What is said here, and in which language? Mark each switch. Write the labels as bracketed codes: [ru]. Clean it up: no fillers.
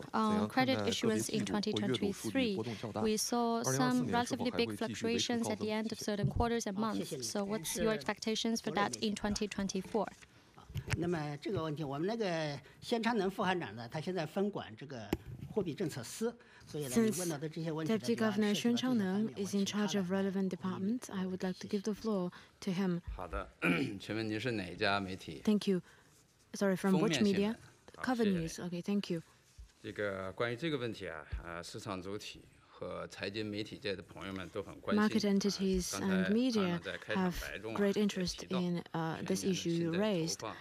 [zh] 怎样看待个别季度或月度数据波动较大？ 2024年是否还会继续维持高增长？ [en] So what's your expectations for that in 2024？ [zh] 那么这个问题，我们那个宣昌能副行长呢，他现在分管这个货币政策司。 [en] Since Deputy Governor Xuan Changneng is in charge of relevant department, I would like to give the floor to him. [zh] 好的，请问您是哪家媒体 [en] ？Thank you. Sorry, from which media? Cover News. Okay, thank you. [zh] 这个关于这个问题啊，市场主体和财经媒体界的朋友们都很关心。 [en] Market entities and media have great interest in this issue you raised.